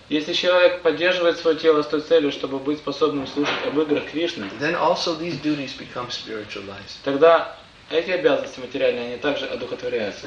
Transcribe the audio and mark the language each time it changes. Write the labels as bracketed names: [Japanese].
[Russian] Если человек поддерживает свое тело с той целью, чтобы быть способным слушать об играх Кришны. [English] Then also these duties become spiritualized. [Russian] Тогда эти обязанности материальные, они также одухотворяются.